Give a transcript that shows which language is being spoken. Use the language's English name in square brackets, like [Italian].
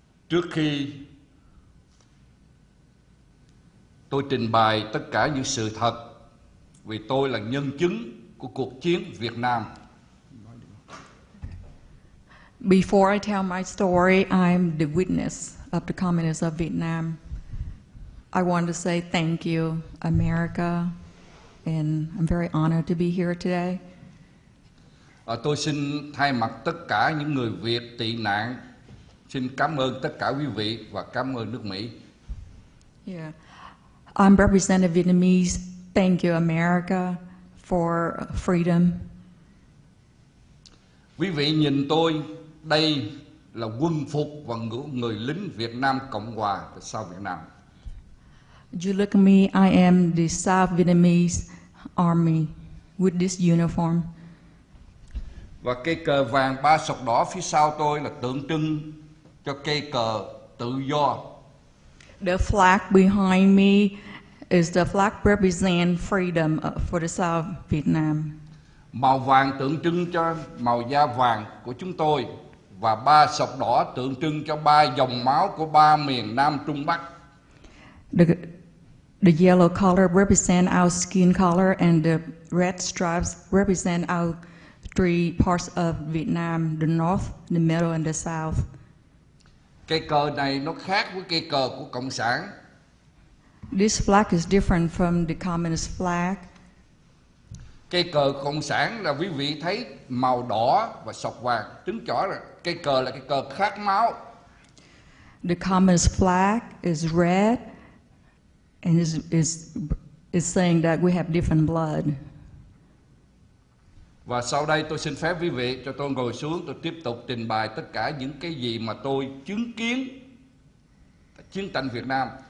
[Vietnamese] Trước khi tôi trình bày tất cả những sự thật, vì tôi là nhân chứng của cuộc chiến Việt Nam. [English] Before I tell my story, I'm the witness of the communists of Vietnam. I want to say thank you, America, and I'm very honored to be here today. [Vietnamese] Tôi xin thay mặt tất cả những người Việt tị nạn, xin cảm ơn tất cả quý vị và cảm ơn nước Mỹ. [English] Yeah, I'm representing Vietnamese. Thank you, America, for freedom. [Vietnamese] Quý vị nhìn tôi. Đây là quân phục và người lính Việt Nam Cộng Hòa và South Vietnam. [English] You look at me, I am the South Vietnamese Army with this uniform. [Vietnamese] Và cây cờ vàng ba sọc đỏ phía sau tôi là tượng trưng cho cây cờ tự do. [English] The flag behind me is the flag represent freedom for the South Vietnam. [Vietnamese] Màu vàng tượng trưng cho màu da vàng của chúng tôi và ba sọc đỏ tượng trưng cho ba dòng máu của ba miền Nam Trung Bắc. [English] The yellow color represents our skin color and the red stripes represent our three parts of Vietnam, the north, the middle and the south. [Vietnamese] Cái cờ này nó khác với cái cờ của Cộng sản. [English] This flag is different from the communist flag. [Vietnamese] Cái cờ Cộng sản là quý vị thấy màu đỏ và sọc vàng, chứng tỏ là cái cờ là cái cờ khát máu. [English] The communist flag is red and is saying that we have different blood. [Vietnamese] Và sau đây tôi xin phép quý vị cho tôi ngồi xuống, tôi tiếp tục trình bày tất cả những cái gì mà tôi chứng kiến chiến tranh Việt Nam.